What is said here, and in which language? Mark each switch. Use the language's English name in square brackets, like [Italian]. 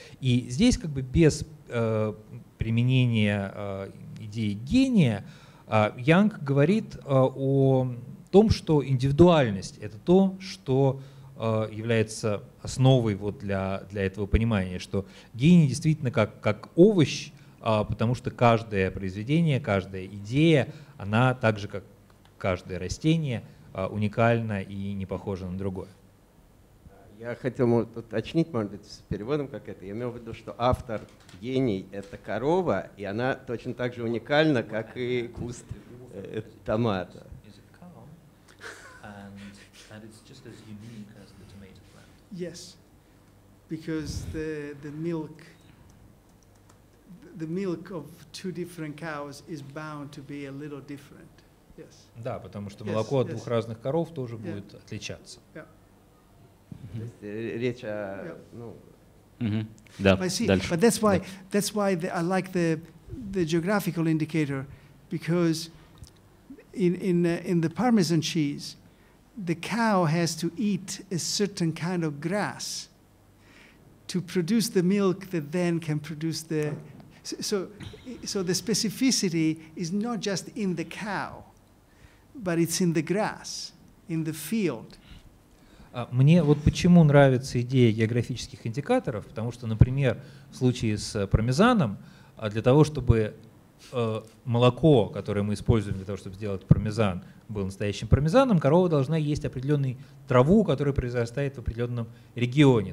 [Russian] И здесь как бы без применения идеи гения Янг говорит о том, что индивидуальность — это то, что является основой вот для этого понимания, что гений действительно как овощ, потому что каждое произведение, каждая идея, она так же, как каждое растение, уникально и не похоже на другое. Я хотел уточнить, может быть, с переводом как это. Я имел в виду, что автор гений — это корова, и она точно так же уникальна, как и куст томата. [English] Yes, because the milk of two different cows is bound to be a little different. Yes. [Russian] Да, потому что молоко от двух разных коров тоже будет отличаться. Речь о, ну, да. Дальше. [English] But that's why I like the geographical indicator, because in the Parmesan cheese, the cow has to eat a certain kind of grass to produce the milk that then can produce the. So the specificity is not just in the cow. But it's in the grass, in the field. [Russian] Мне вот почему нравится идея географических индикаторов, потому что, например, в случае с пармезаном, для того, чтобы молоко, которое мы используем для того, чтобы сделать пармезан, было настоящим пармезаном, корова должна есть определенную траву, которая произрастает в определенном регионе.